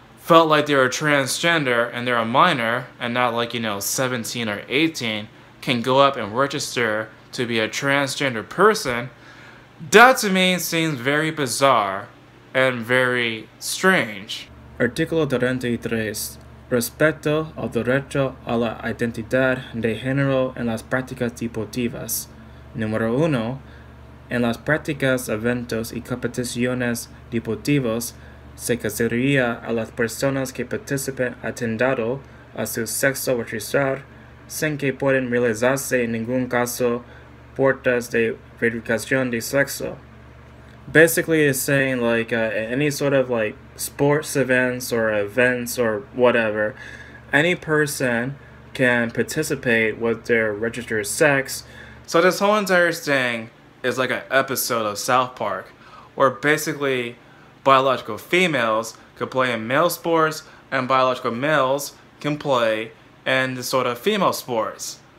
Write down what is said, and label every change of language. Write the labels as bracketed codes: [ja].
[en] felt like they were transgender and they're a minor and not like, you know, 17 or 18 can go up and register to be a transgender person, that to me seems very bizarre and very strange. [es] Artículo 33. Respecto al derecho a la identidad de género en las prácticas deportivas. Número 1. En las prácticas, eventos y competiciones deportivos, se consideraría a las personas que participen atendido a su sexo registrar, sin que puedan realizarse en ningún caso puertas de verificación de sexo. [en] Basically, it's saying like any sort of like sports events or whatever, any person can participate with their registered sex. So this whole entire thing is like an episode of South Park, where basically biological females can play in male sports and biological males can play in the sort of female sports.